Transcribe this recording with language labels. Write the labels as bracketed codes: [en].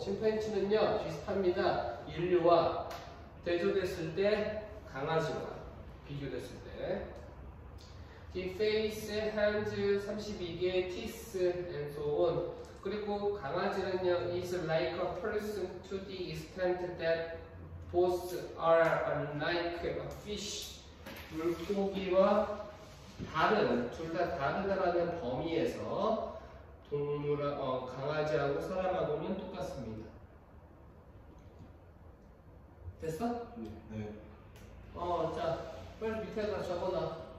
[ko] 침팬지는요 비슷합니다. 인류와 대조됐을 때 강아지와 비교됐을 때. [en] The face, hands, 32개 teeth and so on. [ko] 그리고 강아지는요 [en] is like a person to the extent that both are unlike a fish. [ko] 물고기와 다른, 둘 다 다르다라는 범위에서 강아지하고 사람하고는 똑같습니다. 됐어? 네. 어, 자, 맨 밑에다 적어놔.